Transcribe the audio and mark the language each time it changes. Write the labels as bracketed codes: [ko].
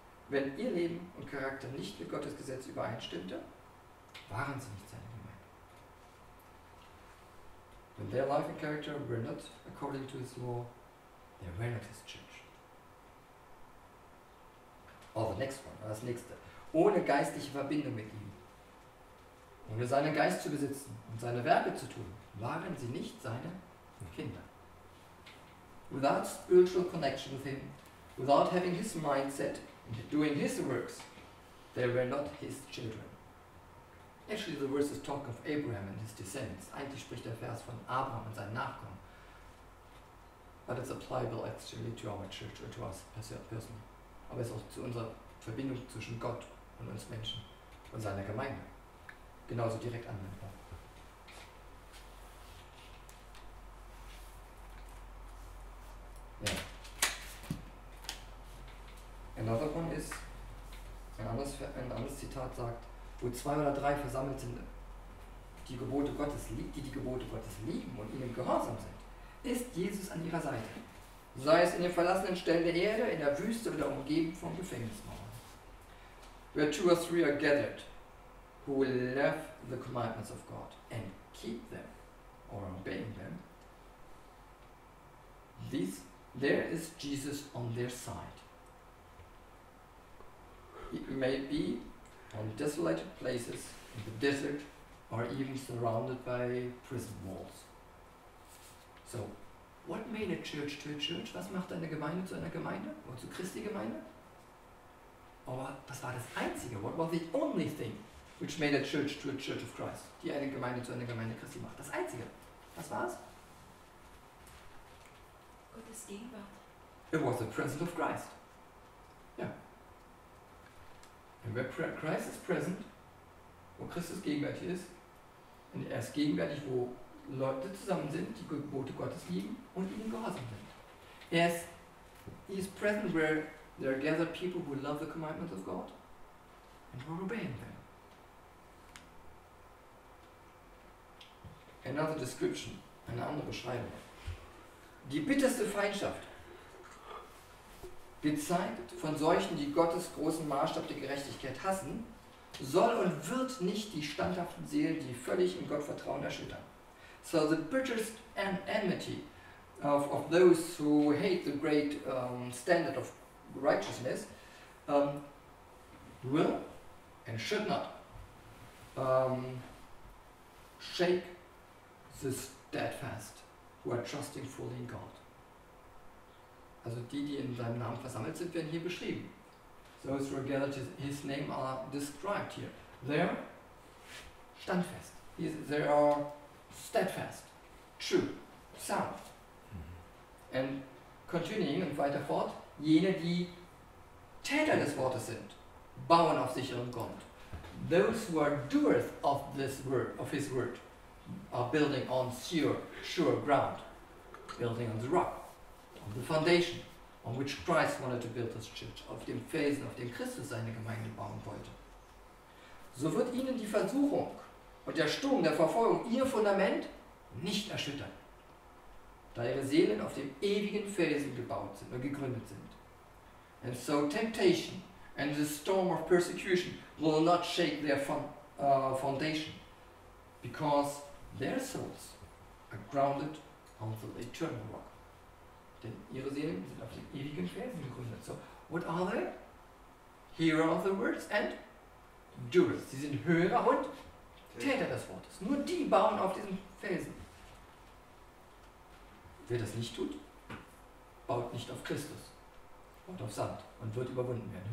[de] Wenn ihr Leben und Charakter nicht mit Gottes Gesetz übereinstimmte, waren sie nicht seine Gemeinde. [en] When their life and character were not according to his law, they were not his church. Oh, the next one, [de] das nächste. Ohne geistliche Verbindung mit ihm, ohne seinen Geist zu besitzen und seine Werke zu tun, waren sie nicht seine Kinder. [en] Without spiritual connection with him, without having his mindset and doing his works, they were not his children. Actually, the verse is talking of Abraham and his descendants. [de] Eigentlich spricht der Vers von Abraham und seinen Nachkommen. [en] But it's applicable actually to our church or to us personally. [de] Aber es ist auch zu unserer Verbindung zwischen Gott und uns Menschen und seiner Gemeinde. Genauso direkt anwendbar. [en] Yeah. Another one is, [de] ein anderes Zitat sagt, wo zwei oder drei versammelt sind, die Gebote Gottes lieben und ihnen gehorsam sind, ist Jesus an ihrer Seite. Sei es in den verlassenen Stellen der Erde, in der Wüste oder umgeben vom Gefängnismauern. [en] Where two or three are gathered, who will love the commandments of God and keep them, or obeying them, there is Jesus on their side. It may be on desolated places, in the desert, or even surrounded by prison walls. So, what made a church to a church? [de] Was macht eine Gemeinde zu einer Gemeinde? Oder zu Christi Gemeinde? Aber was war das Einzige? [en] What was the only thing which made a church to a church of Christ? [de] Die eine Gemeinde zu einer Gemeinde Christi macht. Das Einzige. Was war es? Gottes Gegenwart. [en] It was the presence of Christ. Ja. And where Christ is present, [de] wo Christus gegenwärtig ist, und er ist gegenwärtig, wo Leute zusammen sind, die Gebote Gottes lieben und ihnen gehorsam sind. [en] He is present where there are gathered people who love the commandments of God and who are obeying them. Another description, [de] eine andere Beschreibung. Die bitterste Feindschaft, gezeigt von solchen, die Gottes großen Maßstab der Gerechtigkeit hassen, soll und wird nicht die standhaften Seelen, die völlig im Gottvertrauen erschüttern. [en] So the bitterest enmity of those who hate the great standard of righteousness will and should not shake the steadfast who are trusting fully in God. [de] Also die, die in seinem Namen versammelt sind, werden hier beschrieben. [en] Those who are gathered in his name are described here. They are standfast. They are steadfast, true, sound. And continuing [de] und weiter fort, jene, die Täter des Wortes sind, bauen auf sicheren Grund. [en] Those who are doers of this word, of his word, are building on sure ground, building on the rock, on the foundation, on which Christ wanted to build his church, [de] auf dem Felsen, auf dem Christus seine Gemeinde bauen wollte. So wird ihnen die Versuchung und der Sturm der Verfolgung ihr Fundament nicht erschüttern, da ihre Seelen auf dem ewigen Felsen gebaut sind und gegründet sind. [en] And so temptation and the storm of persecution will not shake their foundation, because their souls are grounded on the eternal rock. [de] Denn ihre Seelen sind auf dem ewigen Felsen gegründet. [en] So, what are they? Hearer of the words and doers. [de] Sie sind Hörer und Täter des Wortes. Nur die bauen auf diesem Felsen. Wer das nicht tut, baut nicht auf Christus, baut auf Sand und wird überwunden werden.